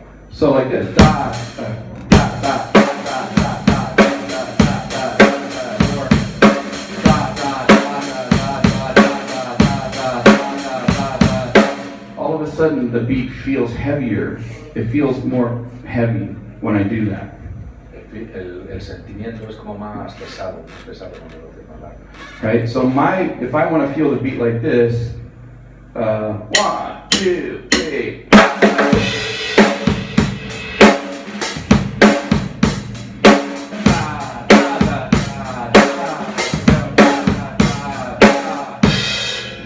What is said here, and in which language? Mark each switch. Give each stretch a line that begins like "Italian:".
English: So like this. Da, da, da, da, da, da. Sudden the beat feels heavier, it feels more heavy when I do that.
Spanish: El sentimiento es como más pesado, más pesado cuando lo hace más largo.
English: Right? So if I want to feel the beat like this, 1, 2, 3.